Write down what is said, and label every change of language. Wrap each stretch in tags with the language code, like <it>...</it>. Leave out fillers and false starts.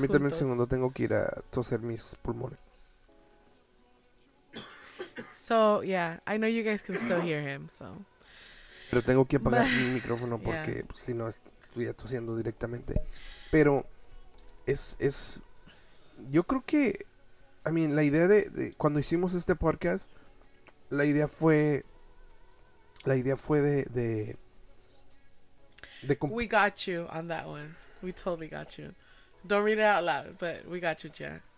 <es>Permíteme un segundo, tengo que ir a toser mis pulmones.</es> <en>So, yeah, I know you guys can still hear him, so.</en> <es>Pero tengo que apagar mi micrófono porque yeah. Si no, estoy tosiendo directamente. Pero es yo creo que,</es> <en>I mean,</en> <es>la idea de cuando hicimos este podcast, la idea fue de</es> <en>we got you on that one. We totally got you. Don't read it out loud, but we got you, Chia.</en>